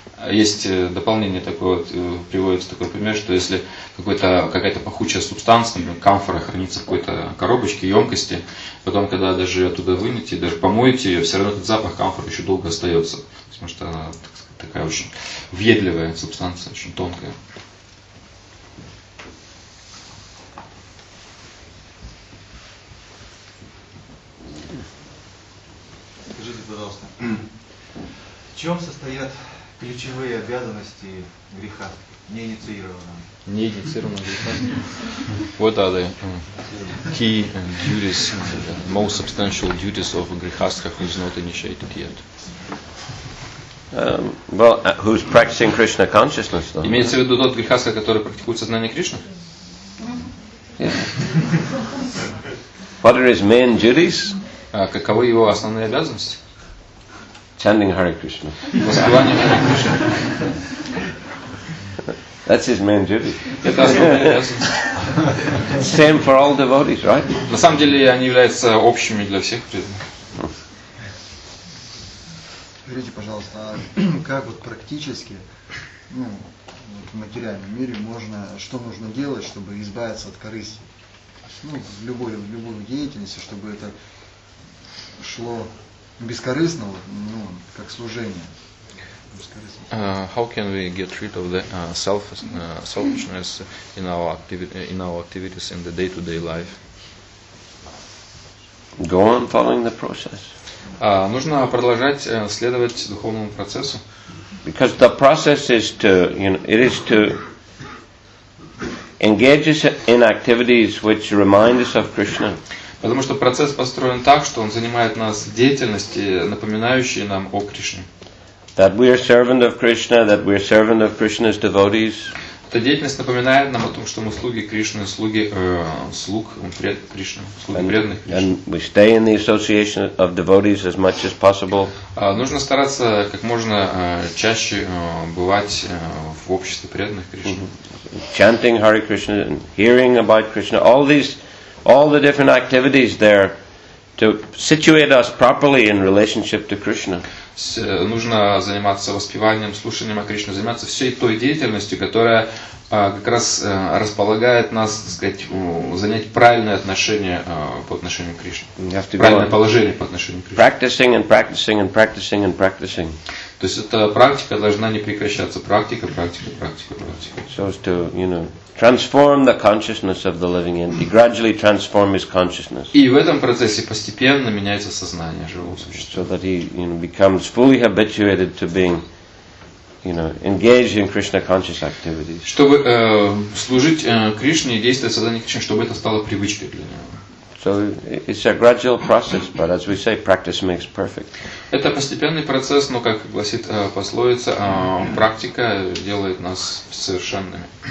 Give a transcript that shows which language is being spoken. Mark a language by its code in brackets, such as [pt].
[ru] Есть дополнение такое, вот, приводится такой пример, что если какая-то пахучая субстанция, например, камфора хранится в какой-то коробочке, емкости, потом, когда даже ее оттуда вынете, даже помоете ее, все равно этот запах камфора еще долго остается. Потому что она, так сказать, такая очень въедливая субстанция, очень тонкая. Скажите, пожалуйста, в чем состоят ключевые обязанности греха, неинициированного греха? [en] What are the key duties, the most substantial duties of a grihastha who is not initiated yet? Well, who's practicing Krishna consciousness, though? [ru] Имеется в виду тот грихастха, который практикует сознание Кришны? [en] What are his main duties? [ru] Каковы его основные обязанности? [en] Chanting Hare Krishna. [ru] Воспевание Hare Krishna. [en] That's his main duty. [ru] Это основная обязанность. [en] Same for all devotees, right? [ru] На самом деле они являются общими для всех преданных. Скажите, пожалуйста, а как вот практически, ну, вот в материальном мире можно, что нужно делать, чтобы избавиться от корысти? Ну, в любой деятельности, чтобы это шло бескорыстно, ну, как служение. [en] How can we get rid of the selfishness in our activity, in our activities in the day-to-day life? Go on following the process. [ru] Нужно продолжать следовать духовному процессу. [en] Because the process is to, you know, it is to engage us in activities which remind us of Krishna. [ru] Потому что процесс построен так, что он занимает нас деятельности, напоминающие нам о Кришне. [en] That we are servant of Krishna, that we are servant of Krishna's devotees. [ru] эта деятельность напоминает нам о том, что мы слуги Кришны, слуги слуг Кришны, слуги преданных Кришны. [en] And we stay in the association of devotees as much as possible. [ru] Нужно стараться как можно чаще бывать в обществе преданных Кришны. [en] Chanting Hare Krishna, and hearing about Krishna, all the different activities there. To situate us properly in relationship to Krishna. [ru] Нужно заниматься воспеванием, слушанием о Кришне, заниматься всей той деятельностью, которая как раз располагает нас, так сказать, занять правильное отношение по отношению к Кришне. Правильное положение по отношению к Кришне. [en] Practicing and practicing and practicing and practicing. [ru] То есть эта практика должна не прекращаться. Практика, практика, практика, практика. [en] So as to, you know, transform the consciousness of the living entity, gradually transform his consciousness. [ru] И в этом процессе постепенно меняется сознание живого существа. [en] So that he, you know, becomes fully habituated to being, you know, engaged in Krishna conscious activities. [ru] Чтобы служить Кришне и действовать в сознании Кришны, чтобы это стало привычкой для него. [en] So it's a gradual process, but as we say, practice makes perfect. [ru] Это постепенный процесс, но как гласит пословица, практика делает нас совершенными.